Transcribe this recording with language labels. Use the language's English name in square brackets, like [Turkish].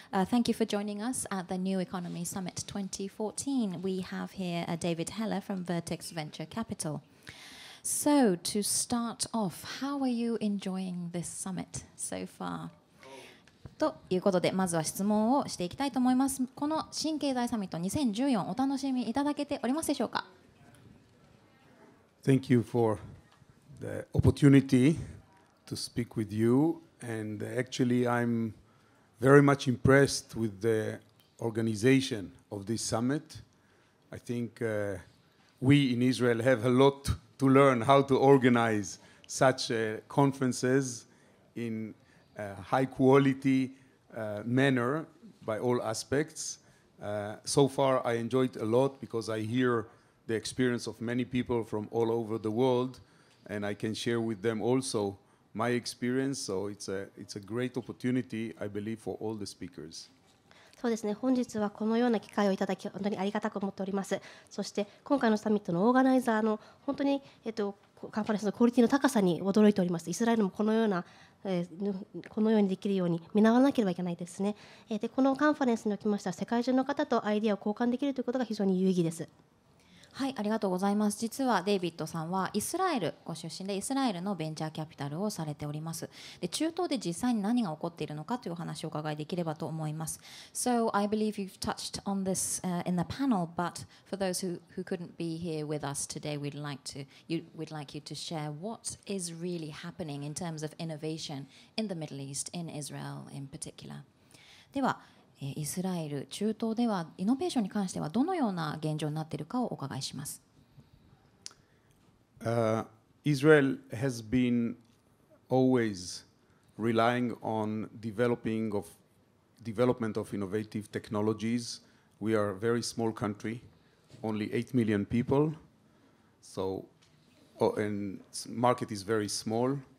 [English] Thank you for joining us at the New Economy Summit 2014. We have here David Heller from Vertex Venture Capital. So to start off, how are you enjoying this summit so far? [Japanese] ということで、まずは質問をしていきたいと思います。この新経済サミット2014、お楽しみいただけておりますでしょうか。 [English] Thank you for the opportunity to speak with you, and actually I'm very much impressed with the organization of this summit. I think we in Israel have a lot to learn how to organize such conferences inhigh quality manner by all aspects. So far I enjoyed a lot because I hear the experience of many people from all over the world, and I can share with them also my experience. So it's a great opportunity, I believe, for all the speakers. [Japanese] そうですね、本日はこのような機会をいただき本当にありがたく思っております。そして今回のサミットのオーガナイザーの本当に、カンファレンスのクオリティの高さに驚いております。イスラエルもこのような、このようにできるように見直さなければいけないですね。でこのカンファレンスにおきましては世界中の方とアイデアを交換できるということが非常に有意義です。はい、ありがとうございます。実はデイビッドさんはイスラエルご出身で、イスラエルのベンチャーキャピタルをされております。で中東で実際に何が起こっているのかというお話をお伺いできればと思います。 [English] So I believe you've touched on this in the panel, but for those who couldn't be here with us today, we'd like you to share what is really happening in terms of innovation in the Middle East, in Israel in particular. [Japanese] ではイスラエル、中東ではイノベーションに関してはどのような現状になっているかをお伺いします。 [English] Israel has been always relying on development of innovative technologies. We are a very small country, only 8 million people. So, and market is very small.